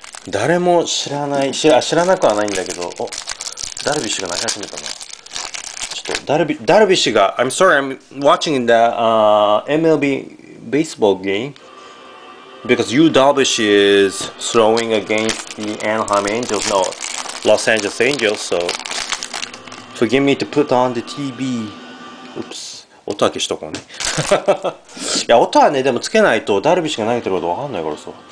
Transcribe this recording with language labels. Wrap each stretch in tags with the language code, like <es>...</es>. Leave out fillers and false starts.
<ja>誰も知らない、知らなくはないんだけど、お、ダルビッシュが投げ始めたな。ちょっと、ダルビッシュが、</ja> <en>I'm sorry, I'm watching the, MLB baseball game. Because Yu Darvish is throwing against the Anaheim Angels, no, Los Angeles Angels, so, forgive me to put on the TV. Oops.</en> <ja>音だけしとこうね。いや、音はね、でもつけないとダルビッシュが投げてることわかんないからさ。</ja>